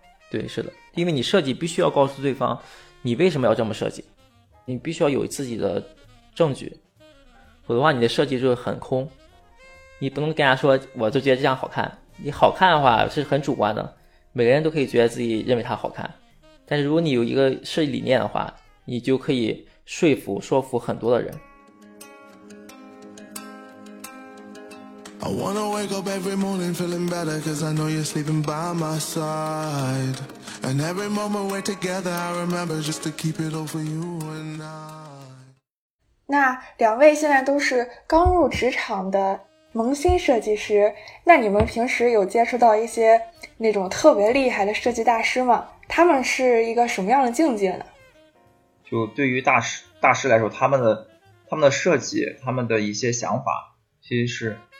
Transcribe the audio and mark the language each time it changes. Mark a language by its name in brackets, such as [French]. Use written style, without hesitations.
[Chinese] 对，是的，因为你设计必须要告诉对方你为什么要这么设计，你必须要有自己的证据，否则的话你的设计就很空，你不能跟人家说我就觉得这样好看，你好看的话是很主观的，每个人都可以觉得自己认为它好看，但是如果你有一个设计理念的话，你就可以说服很多的人。 [English] I wanna wake up every morning feeling better, cause I know you're sleeping by my side, and every moment we're together I remember just to keep it over you and I. [Chinese] 那两位现在都是刚入职场的萌新设计师，那你们平时有接触到一些那种特别厉害的设计大师吗？他们是一个什么样的境界呢？就对于大师来说，他们的设计，他们的一些想法其实是